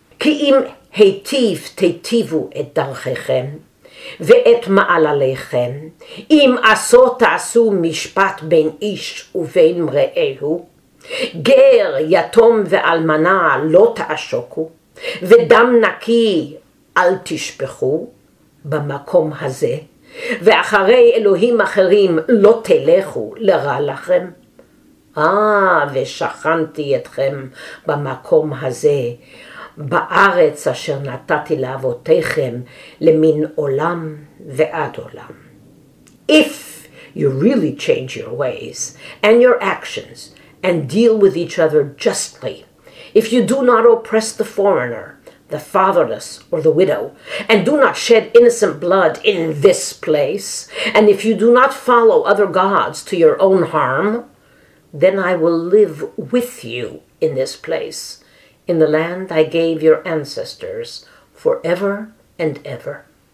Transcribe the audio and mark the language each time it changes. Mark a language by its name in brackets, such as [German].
[Hebrew] Ki im heitiv teitivu et darchechem ve'et ma'alalechem, im aso ta'asu mishpat ben ish uvein re'ehu, ger yatom ve'almana lo ta'ashoku, ve'dam naki al tishpechu b'makom hazeh, ואחרי אלוהים אחרים לא תלכו לרע לכם. ושכנתי אתכם במקום הזה, בארץ אשר נתתי לאבותיכם למין עולם ועד עולם. [English] If you really change your ways and your actions and deal with each other justly, if you do not oppress the foreigner, the fatherless or the widow, and do not shed innocent blood in this place, and if you do not follow other gods to your own harm, then I will live with you in this place, in the land I gave your ancestors forever and ever.